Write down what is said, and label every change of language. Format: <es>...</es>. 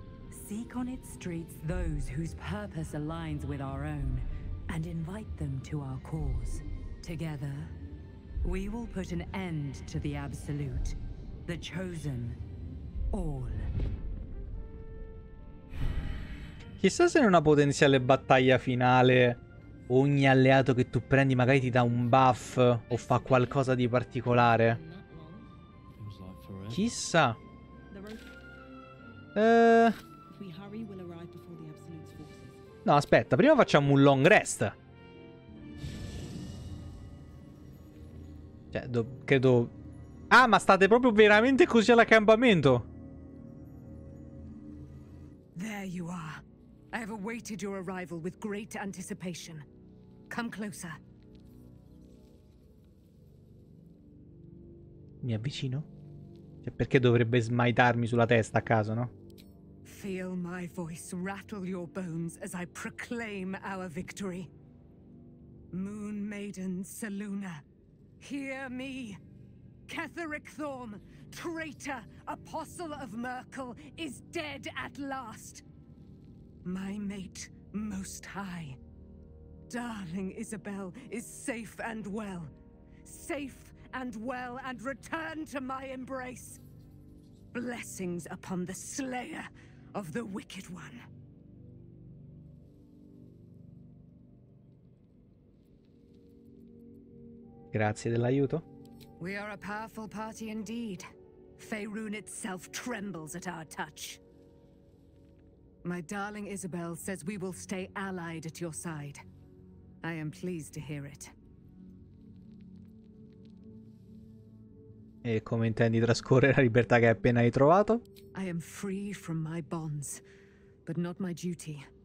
<en>Seek on its streets those whose purpose aligns with our own, and invite them to our cause. Together, we will put an end to the absolute, the chosen, all.</en> <it>Chissà se in una potenziale battaglia finale ogni alleato che tu prendi magari ti dà un buff o fa qualcosa di particolare. Chissà. No, aspetta, prima facciamo un long rest. Cioè, credo... Ah, ma state proprio veramente così all'accampamento?</it> <en>There you are. I have awaited your arrival with great anticipation. Come closer.</en> <it>Mi avvicino? Cioè, perché dovrebbe smaitarmi sulla testa a caso, no?</it> <en>Feel my voice rattle your bones as I proclaim our victory. Moon Maiden Saluna, hear me. Ketherick Thorm, traitor, apostle of Merkel, is dead at last. My mate, Most High. Darling Isabel is safe and well. Safe and well, and return to my embrace. Blessings upon the slayer of the Wicked One.</en> <it>Grazie dell'aiuto.</it> <en>We are a powerful party indeed. Faerun itself trembles at our touch. My darling Isabel says we will stay allied at your side. I am pleased to hear it.</en> <it>E come intendi trascorrere la libertà che appena hai trovato?</it> <en>I am free from my bonds, but not my duty.</en>